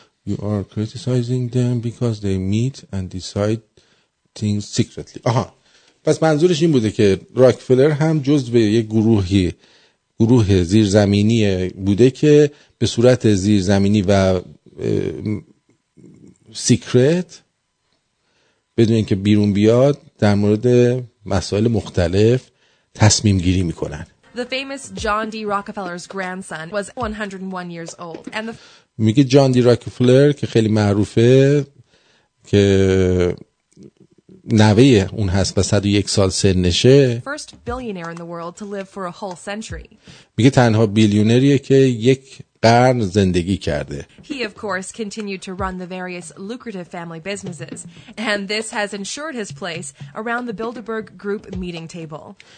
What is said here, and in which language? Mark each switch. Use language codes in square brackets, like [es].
[en] You are criticizing them because they meet and decide things secretly. [fa] آها، پس منظورش این بوده که راکفلر هم جزء به یه گروه زیرزمینی بوده که به صورت زیرزمینی و سیکرت بدون این که بیرون بیاد در مورد مسائل مختلف تصمیم گیری میکنن. [en] The famous John D. Rockefeller's grandson was 101 years old. And the... [fa] میگه جان دی راکفلر که خیلی معروفه که نوه اون هست و 101 سال سنشه، [en] first billionaire in the world to live for a whole century. [fa] میگه تنها بیلیونریه که یک قرن زندگی کرده. [en] He of course continued to run the various lucrative family businesses and this has ensured his place around the Bilderberg group meeting table.